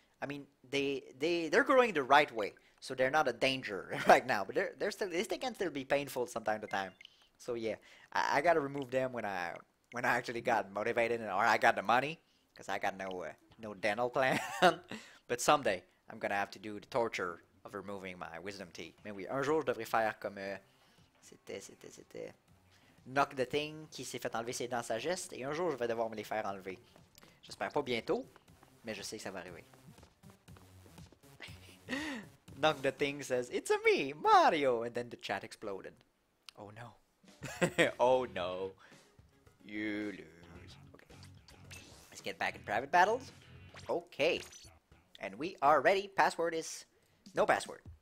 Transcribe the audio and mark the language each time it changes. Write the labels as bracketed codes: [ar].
[en] I mean, they're growing the right way, so they're not a danger right now. But they can still be painful from time to time. So yeah, I gotta remove them when I actually got motivated and, or I got the money, because I got no dental plan. But someday I'm gonna have to do the torture of removing my wisdom teeth. [fr] Mais oui, un jour je devrais faire comme. C'était. Knock the Thing qui s'est fait enlever ses dents sagesse, et un jour je vais devoir me les faire enlever. J'espère pas bientôt, mais je sais que ça va arriver. [en] Knock the Thing says, it's a me, Mario! And then the chat exploded. Oh no. Oh no. You lose. Okay. Let's get back in private battles. Okay. And we are ready. Password is. No password.